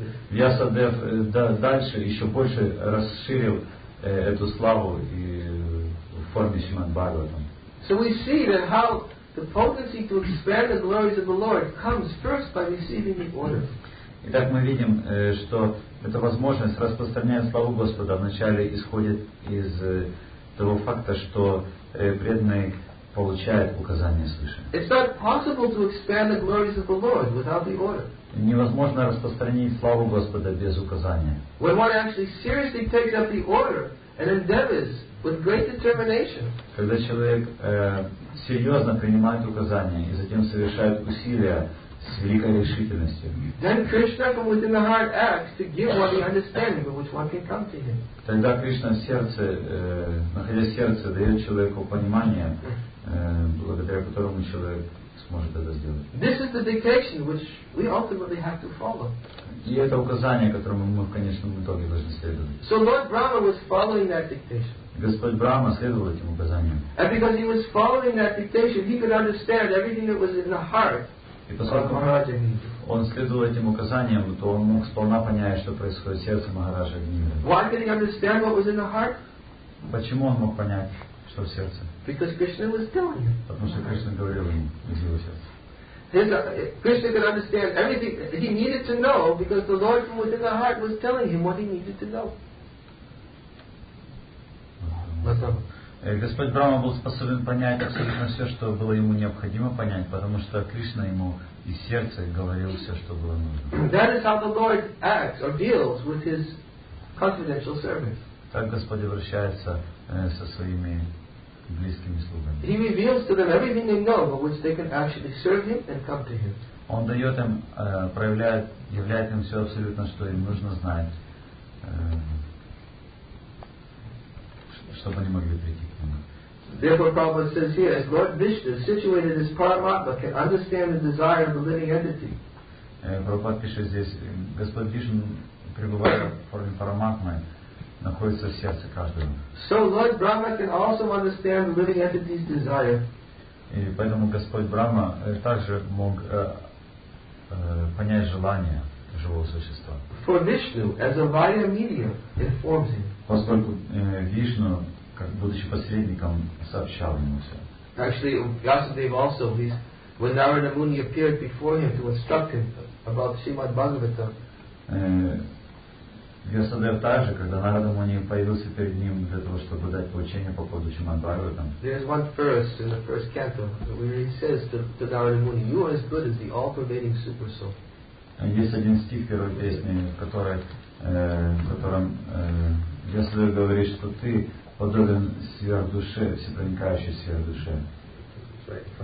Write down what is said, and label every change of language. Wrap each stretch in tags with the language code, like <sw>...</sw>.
<ru>Вьясадев дальше еще больше расширил эту славу и в форме Шримад Бхагаватам.</ru> <en>So we see that how the potency to expand the glories of the Lord comes first by receiving the order.</en> <ru>Итак, мы видим, что эта возможность распространять славу Господа вначале исходит из того факта, что преданный получает указание свыше.</ru> <en>It's not possible to expand the glories of the Lord without the order.</en> <ru>Невозможно распространить славу Господа без указания.</ru> <en>When one actually seriously takes up the order and endeavors with great determination.</en> <ru>Когда человек серьезно принимает указания и затем совершает усилия с великой решительностью.</ru> <en>Then Krishna from within the heart acts to give one the understanding by which one can come to him.</en> <ru>Тогда Кришна в сердце, находясь в сердце, дает человеку понимание, благодаря которому человек сможет это сделать.</ru> <en>This is the dictation which we ultimately have to follow.</en> <ru>И это указание, которому мы в конечном итоге должны следовать.</ru> <en>So Lord Brahma was following that dictation.</en> <ru>Господь Брахма следовал этим указаниям.</ru> <en>And because he was following that dictation, he could understand everything that was in the heart.</en> <ru>И поскольку он следовал этим указаниям, то он мог сполна понять, что происходит в сердце Махараджа Гнивы.</ru> <en>Why could he understand what was in the heart?</en> <ru>Почему он мог понять, что в сердце?</ru> <en>Because Krishna was telling him.</en> <ru>Потому что Кришна говорил ему из его сердца.</ru> <en>Krishna could understand everything he needed to know because the Lord from within the heart was telling him what he needed to know.</en> <ru>Господь Брахма был способен понять абсолютно все, что было ему необходимо понять, потому что Кришна ему из сердца говорил все, что было нужно.</ru> <en>That is how the Lord acts or deals with his confidential servants.</en> <ru>Так Господь обращается со своими близкими слугами.</ru> <en>He reveals to them everything they know, but which they can actually serve him and come to him.</en> <ru>Он дает им, проявляет, являет им все абсолютно, что им нужно знать. Чтобы они могли прийти к нему.</ru> <en>Therefore, Prabhupada says here, as Lord Vishnu situated as Paramatma can understand the desire of the living entity.</en> <ru>Прабхупада пишет здесь, Господь Вишну, пребывая в форме Параматмы, находится в сердце каждого.</ru> <en>So Lord Brahma can also understand the living entity's desire.</en> <ru>И поэтому Господь Брахма также мог понять желание живого существа.</ru> <en>For Vishnu, as a Vaya medium, informs him.</en> <ru>Поскольку Вишну, как будучи посредником, сообщал ему все.</ru> <en>Actually, Vyasadeva also, when Narada Muni appeared before him to instruct him about Srimad Bhagavatam.</en> <ru>Vyasadeva также, когда Narada Muni появился перед ним для того, чтобы дать поучение по поводу Srimad Bhagavatam.</ru> <en>There is one verse in the first canto where he says to Narada Muni, "You are as good as the all-pervading super soul."</en> <ru>Есть один стих первой песни, в котором Если говорит, что ты подобен сверхдуше, всепроникающей сверхдуше.</ru>